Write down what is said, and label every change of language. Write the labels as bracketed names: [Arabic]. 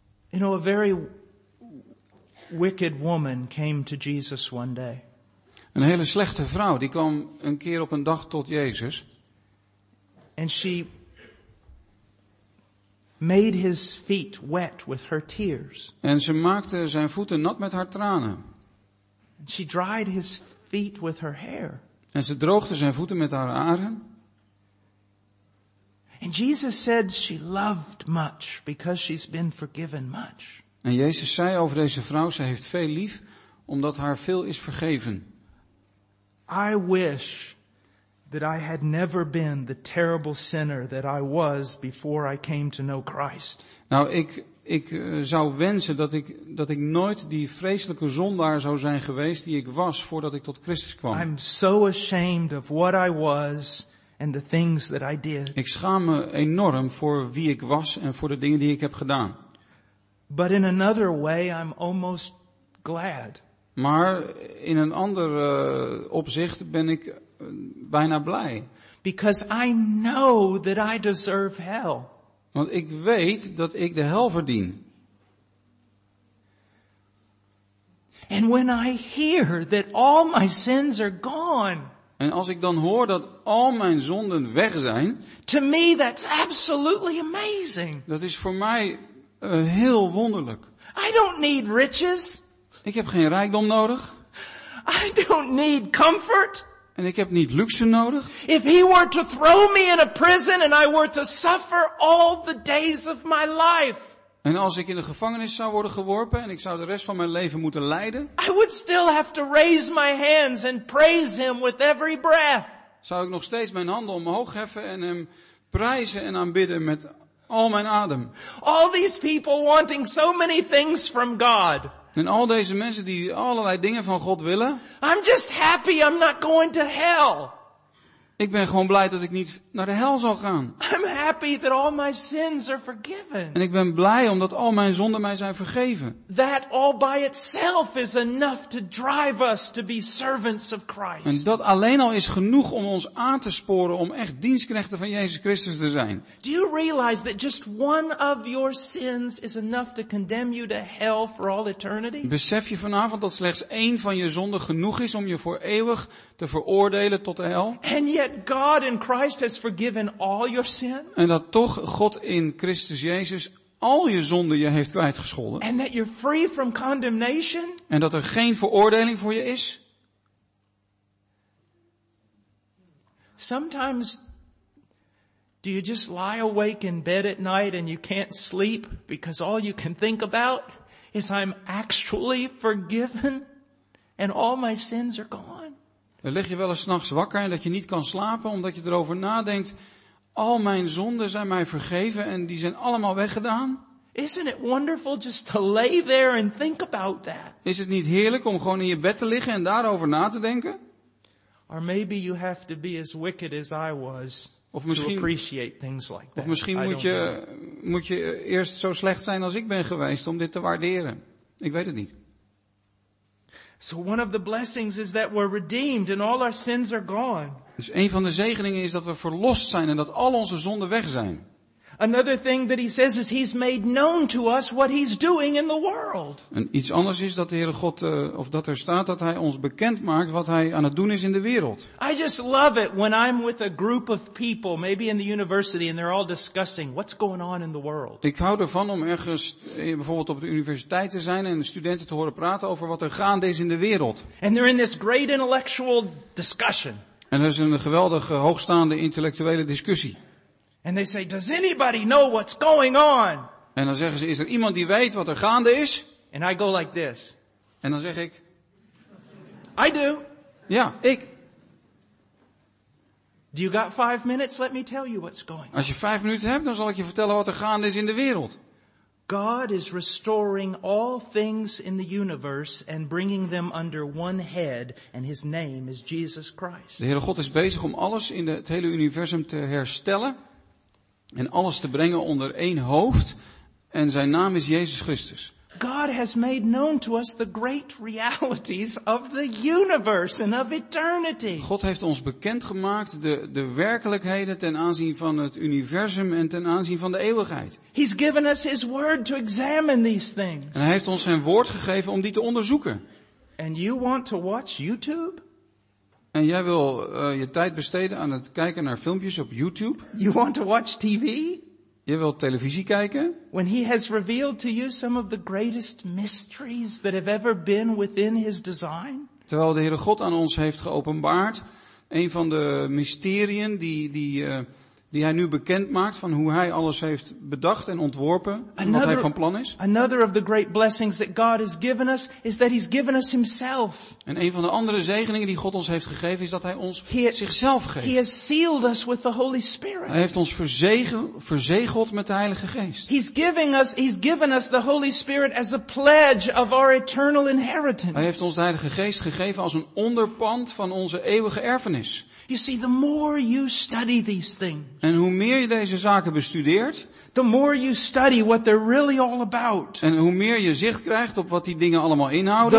[English] You know, a very wicked woman came to Jesus one day. [Dutch] Een hele slechte vrouw die kwam een keer op een dag tot Jezus. [English] And she made his feet wet with her tears. [Dutch] En ze maakte zijn voeten nat met haar tranen. [English] And she dried his feet with her hair. [Dutch] En ze droogde zijn voeten met haar haren. [English] And Jesus said she loved much because she's been forgiven much. [Dutch] En Jezus zei over deze vrouw, ze heeft veel lief omdat haar veel is vergeven. [English] I wish that I had never been the terrible sinner that I was before I came to know Christ. [Dutch] Nou, ik zou wensen dat ik nooit die vreselijke zondaar zou zijn geweest die ik was voordat ik tot Christus kwam. [English] I'm so ashamed of what I was and the things that I did. [Dutch] Ik schaam me enorm voor wie ik was en voor de dingen die ik heb gedaan. [English] But in another way I'm almost glad. [Dutch] Maar in een ander opzicht ben ik bijna blij. [English] Because I know that I deserve hell. [Dutch] Want ik weet dat ik de hel verdien. [English] And when I hear that all my sins are gone. [Dutch] En als ik dan hoor dat al mijn zonden weg zijn. [English] To me that's absolutely amazing. [Dutch] Dat is voor mij heel wonderlijk. [English] I don't need riches. [Dutch] Ik heb geen rijkdom nodig. [English] I don't need comfort. [Dutch] En ik heb niet luxe nodig. [English] If he were to throw me in a prison and I were to suffer all the days of my life. [Dutch] En als ik in de gevangenis zou worden geworpen en ik zou de rest van mijn leven moeten lijden. [English] I would still have to raise my hands and praise him with every breath. [Dutch] Zou ik nog steeds mijn handen omhoog heffen en hem prijzen en aanbidden met al mijn adem. [English] All these people wanting so many things from God. [Dutch] En al deze mensen die allerlei dingen van God willen. [English] I'm just happy I'm not going to hell. [Dutch] Ik ben gewoon blij dat ik niet naar de hel zal gaan. [English] I'm happy that all my sins are forgiven. [Dutch] En ik ben blij omdat al mijn zonden mij zijn vergeven. [English] That all by itself is enough to drive us to be servants of Christ. [Dutch] En dat alleen al is genoeg om ons aan te sporen om echt dienstknechten van Jezus Christus te zijn. [English] Do you realize that just one of your sins is enough to condemn you to hell for all eternity? [Dutch] Besef je vanavond dat slechts één van je zonden genoeg is om je voor eeuwig te veroordelen tot de hel? [English] Yet God in Christ has forgiven all your sins. [Dutch] En dat toch God in Christus Jezus al je zonden je heeft kwijtgescholden. [English] And that you're free from condemnation. [Dutch] En dat er geen veroordeling voor je is. [English] Sometimes do you just lie awake in bed at night and you can't sleep because all you can think about is I'm actually forgiven and all my sins are gone. [Dutch] Dan lig je wel eens 's nachts wakker en dat je niet kan slapen omdat je erover nadenkt. Al mijn zonden zijn mij vergeven en die zijn allemaal weggedaan. [English] Isn't it wonderful just to lay there and think about that? [Dutch] Is het niet heerlijk om gewoon in je bed te liggen en daarover na te denken? [English] Or maybe you have to be as wicked as I was to appreciate things like that. [Dutch] Of misschien moet je eerst zo slecht zijn als ik ben geweest om dit te waarderen. Ik weet het niet. [English] So one of the blessings is that we're redeemed and all our sins are gone. [Dutch] Dus een van de zegeningen is dat we verlost zijn en dat al onze zonden weg zijn. [English] Another thing that he says is he's made known to us what he's doing in the world. [Dutch] En iets anders is dat de Heere God of dat er staat dat hij ons bekend maakt wat hij aan het doen is in de wereld. [English] I just love it when I'm with a group of people, maybe in the university, and they're all discussing what's going on in the world. [Dutch] Ik hou ervan om ergens bijvoorbeeld op de universiteit te zijn en studenten te horen praten over wat er gaande is in de wereld. [English] And they're in this great intellectual discussion. [Dutch] En er is een geweldige hoogstaande intellectuele discussie. [English] And they say, does anybody know what's going on? [Dutch] En dan zeggen ze, is er iemand die weet wat er gaande is? [English] And I go like this. [Dutch] En dan zeg ik, [English] I do. [Dutch] Ja, ik. [English] Do you got 5 minutes? Let me tell you what's going on. [Dutch] Als je 5 minuten hebt, dan zal ik je vertellen wat er gaande is in de wereld. [English] God is restoring all things in the universe and bringing them under one head, and his name is Jesus Christ. [Dutch] De Heere God is bezig om alles in het hele universum te herstellen en alles te brengen onder één hoofd, en zijn naam is Jezus Christus. [English] God has made known to us the great realities of the universe and of eternity. [Dutch] God heeft ons bekendgemaakt de werkelijkheden ten aanzien van het universum en ten aanzien van de eeuwigheid. [English] He's given us his word to examine these things. [Dutch] En hij heeft ons zijn woord gegeven om die te onderzoeken. [English] And you want to watch YouTube? [Dutch] En jij wil je tijd besteden aan het kijken naar filmpjes op YouTube? [English] You want to watch TV? [Dutch] Je wilt televisie kijken? [English] When he has revealed to you some of the greatest mysteries that have ever been within his design? [Dutch] Terwijl de Heere God aan ons heeft geopenbaard een van de mysteriën die hij nu bekend maakt van hoe hij alles heeft bedacht en ontworpen en wat hij van plan is. [English] Another of the great blessings that God has given us is that he's given us himself. [Dutch] En een van de andere zegeningen die God ons heeft gegeven is dat hij ons zichzelf geeft. [English] He has sealed us with the Holy Spirit. [Dutch] Hij heeft ons verzegeld met de Heilige Geest. [English] He's given us the Holy Spirit as a pledge of our eternal inheritance. [Dutch] Hij heeft ons de Heilige Geest gegeven als een onderpand van onze eeuwige erfenis. [English] You see, the more you study these things, [Dutch] en hoe meer je deze zaken bestudeert, [English] the more you study what they're really all about, [Dutch] en hoe meer je zicht krijgt op wat die dingen allemaal inhouden,